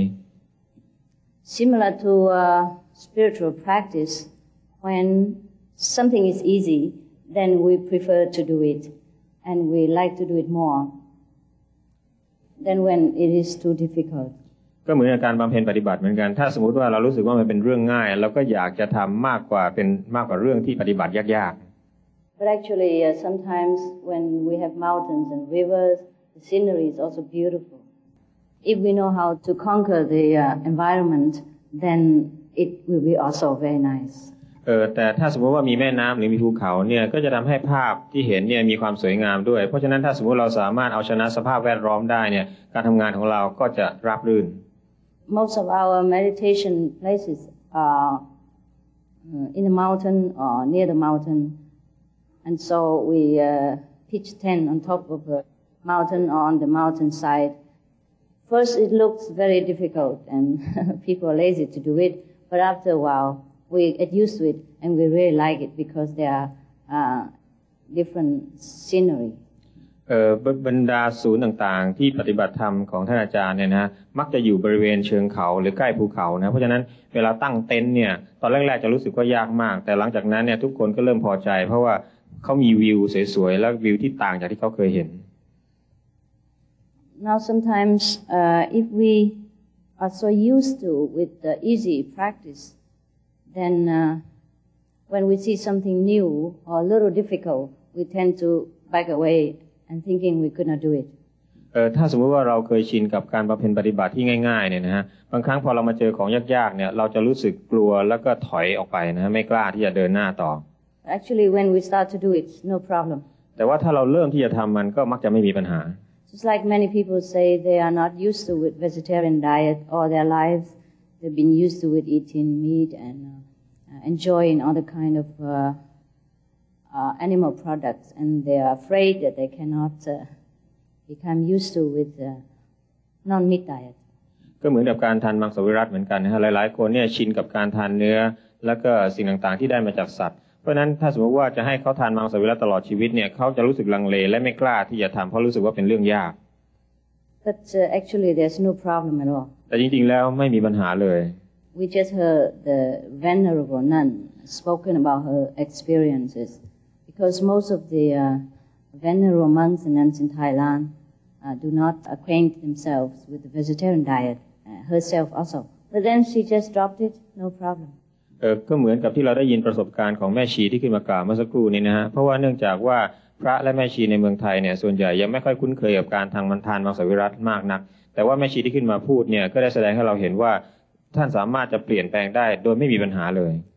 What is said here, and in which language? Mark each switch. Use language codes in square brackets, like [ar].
[en] Similar to spiritual practice, when something is easy, then we prefer to do it, and we like to do it more than when it is too difficult. [th] ก็เหมือนการบำเพ็ญปฏิบัติเหมือนกันถ้าสมมติว่าเรารู้สึกว่ามันเป็นเรื่องง่ายเราก็อยากจะทำมากกว่าเรื่องที่ปฏิบัติยาก [en] ๆ But actually, sometimes when we have mountains and rivers, the scenery is also beautiful.If we know how to conquer the environment, then it will be also very nice. [th] แต่ถ้าสมมติว่ามีแม่น้ำหรือมีภูเขาเนี่ยก็จะทำให้ภาพที่เห็นเนี่ยมีความสวยงามด้วยเพราะฉะนั้นถ้าสมมติเราสามารถเอาชนะสภาพแวดล้อมได้เนี่ยการทำงานของเราก็จะราบรื่น [en] Most of our meditation places are in the mountain or near the mountain, and so we pitch tent on top of a mountain or on the mountain side. First, it looks very difficult and people are lazy to do it, but after a while. We get used to it, and we really like it because there are different scenery. [th] บรรดาศูนย์ต่างๆที่ปฏิบัติธรรมของท่านอาจารย์เนี่ยนะมักจะอยู่บริเวณเชิงเขาหรือใกล้ภูเขานะเพราะฉะนั้นเวลาตั้งเต็นท์เนี่ยตอนแรกๆจะรู้สึกว่ายากมากแต่หลังจากนั้นเนี่ยทุกคนก็เริ่มพอใจเพราะว่าเขามีวิวสวยๆและวิวที่ต่างจากที่เขาเคยเห็น [en] Now sometimes if we are so used to with the easy practiceThen when we see something new or a little difficult, we tend to back away and thinking we could not do it. [th] ถ้าสมมติว่าเราเคยชินกับการบำเพ็ญปฏิบัติที่ง่ายๆเนี่ยนะฮะบางครั้งพอเรามาเจอของยากๆเนี่ยเราจะรู้สึกกลัวแล้วก็ถอยออกไปนะฮะไม่กล้าที่จะเดินหน้าต่อ [en] Actually, when we start to do it, no problem. [th] แต่ว่าถ้าเราเริ่มที่จะทำมันก็มักจะไม่มีปัญหา [en] Just like many people say, they are not used to with vegetarian diet all their lives. They've been used to with eating meat andenjoying other kind of animal products, and they are afraid that they cannot become used to with non-meat diet. [th] ก็เหมือนกับการทานมังสวิรัติเหมือนกันนะฮะหลายๆคนเนี่ยชินกับการทานเนื้อแล้วก็สิ่งต่างๆที่ได้มาจากสัตว์เพราะนั้นถ้าสมมติว่าจะให้เขาทานมังสวิรัติตลอดชีวิตเนี่ยเขาจะรู้สึกลังเลและไม่กล้าที่จะทำเพราะรู้สึกว่าเป็นเรื่องยาก [en] But actually, there's no problem at all. [th] แต่จริงๆแล้วไม่มีปัญหาเลย [en] We just heard the Venerable Nun spoken about her experiences, because most of the venerable monks and nuns in Thailand do not acquaint themselves with the vegetarian diet. Herself also, but then she just dropped it, no problem. [th] ก็เหมือนกับที่เราได้ยินประสบการณ์ของแม่ชีที่ขึ้นมากล่าวเมื่อสักครู่นี้นะฮะเพราะว่าเนื่องจากว่าพระและแม่ชีในเมืองไทยเนี่ยส่วนใหญ่ยังไม่ค่อยคุ้นเคยกับการทางมังทานมังสวิรัติมากนักแต่ว่าแม่ชีที่ขึ้นมาพูดเนี่ยก็ได้แสดงให้เราเห็นว่าท่านสามารถจะเปลี่ยนแปลงได้โดยไม่มีปัญหาเลย